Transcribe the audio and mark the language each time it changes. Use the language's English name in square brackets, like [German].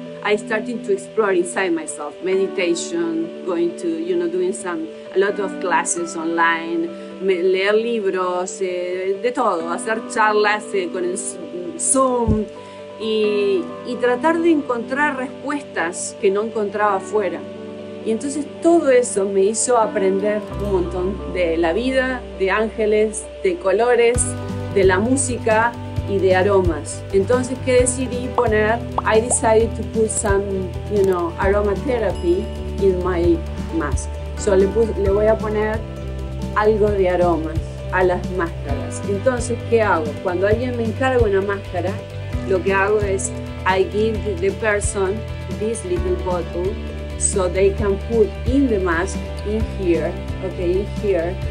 [English] I started to explore inside myself, meditation, going to, you know, doing some, a lot of classes online, [Spanish] leer libros, de todo, hacer charlas con el Zoom y tratar de encontrar respuestas que no encontraba afuera. Y entonces todo eso me hizo aprender un montón de la vida, de ángeles, de colores, de la música y de aromas. Entonces, ¿qué decidí poner? [English] I decided to put some, you know, aromatherapy in my mask. [Spanish] So le voy a poner algo de aromas a las máscaras. Entonces, ¿qué hago? Cuando alguien me encarga una máscara, lo que hago es [English] I give the person this little bottle so they can put in the mask, in here, [Spanish] okay, in here.